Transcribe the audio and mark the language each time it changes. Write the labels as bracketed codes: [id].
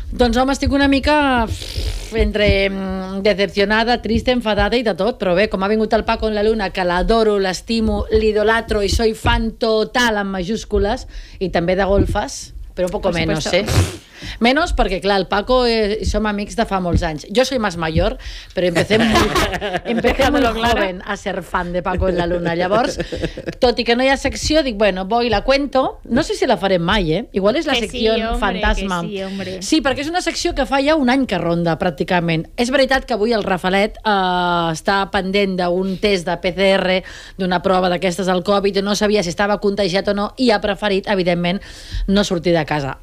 [ca] Doncs home, estic una mica entre decepcionada, triste, enfadada i de tot, però bé, com ha vingut el Paco en la Luna, que l'adoro, l'estimo, l'idolatro i [es] soy fan total [ca] amb majúscules, i també de golfes, però un poc menys, sí. Menos perquè, clar, el Paco i som amics de fa molts anys. [es] Jo soy más mayor, però empecé muy joven a ser fan de Paco en la Luna. [ca] Llavors, tot i que no hi ha secció, dic, [es] bueno, voy, la cuento. [ca] No sé si la farem mai, eh? Igual és la secció fantasma. [es] Que sí, hombre. [ca] Sí, perquè és una secció que fa ja un any que ronda, pràcticament. És veritat que avui el Rafalet està pendent d'un test de PCR, d'una prova d'aquestes del Covid, no sabia si estava contagiat o no, i ha preferit, evidentment, no sortir de casa.